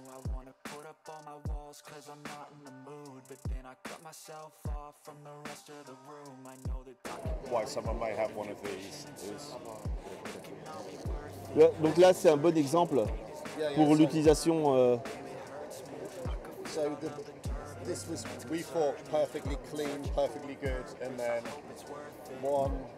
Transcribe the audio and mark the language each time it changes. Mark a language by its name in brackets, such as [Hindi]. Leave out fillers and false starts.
[English] I wanna put up all my walls cause I'm not in the mood. But then I cut myself off from the rest of the room. I know that why someone might have one of these is. [French] Donc là c'est un bon exemple pour l'utilisation. [English] So this was, we thought, perfectly clean, perfectly good, and then one.